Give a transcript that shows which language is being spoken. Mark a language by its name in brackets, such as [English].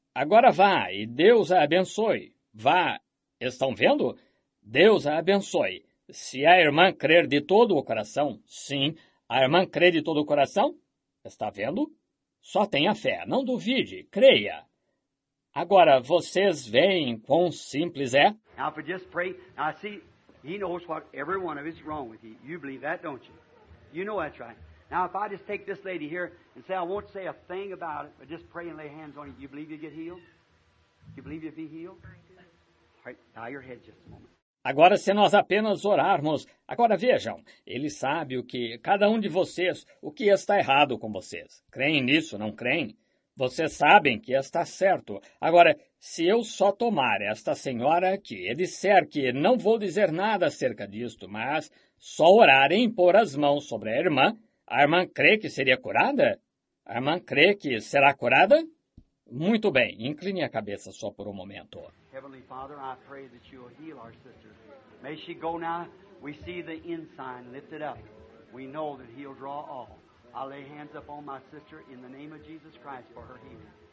[Portuguese] Agora vá e Deus a abençoe. Vá. Estão vendo? Deus a abençoe. Se a irmã crer de todo o coração, sim. A irmã crê de todo o coração? Está vendo? Só tenha fé. Não duvide. Creia. Agora, vocês veem quão simples é? [English] Now, if we just pray, now, see, he knows what every one of us is wrong with you. You believe that, don't you? You know that's right. Now, if I just take this lady here and say, I won't say a thing about it, but just pray and lay hands on you, you believe you get healed? You believe you'll be healed? All right, bow your head just a moment. [Portuguese] Agora, se nós apenas orarmos, agora vejam, ele sabe o que, cada um de vocês, o que está errado com vocês. Creem nisso, não creem? Vocês sabem que está certo. Agora, se eu só tomar esta senhora aqui e disser que não vou dizer nada acerca disto, mas só orar e impor as mãos sobre a irmã crê que seria curada? A irmã crê que será curada? Muito bem, incline a cabeça só por um momento. [English] Heavenly Father, I pray that you will heal our sister. May she go now. We see the ensign lifted up. We know that he'll draw all. I lay hands up on my sister in the name of Jesus Christ for her healing.